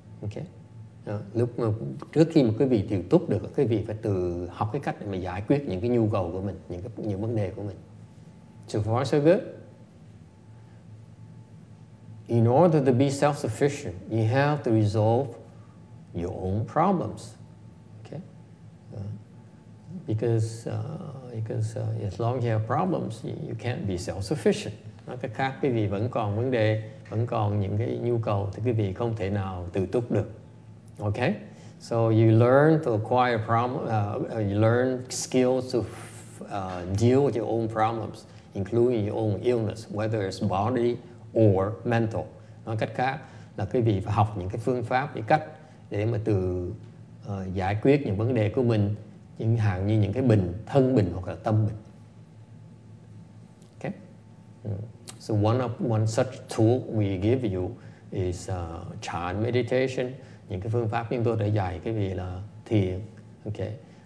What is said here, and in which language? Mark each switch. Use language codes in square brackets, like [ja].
[vi] Okay, lúc mà trước khi mà quý vị tự túc được, quý vị phải tự học cái cách để mà giải quyết những cái nhu cầu của mình, những vấn đề của mình. [en] So far, so good. In order to be self-sufficient, you have to resolve your own problems. Okay? Because as long as you have problems, you can't be self-sufficient. [vi] Nói cách khác, quý vị vẫn còn vấn đề, vẫn còn những cái nhu cầu thì quý vị không thể nào tự túc được. [en] Okay? So you learn to acquire you learn skills to deal with your own problems, including your own illness, whether it's body or mental. [vi] Nói cách khác là quý vị phải học những cái phương pháp, những cách để mà từ giải quyết những vấn đề của mình, những hạn như những cái bình, thân bình hoặc là tâm bình. Okay. [en] So one such tool we give you is chan meditation, [vi] những cái phương pháp chúng tôi đã dạy quý vị là thiền, okay.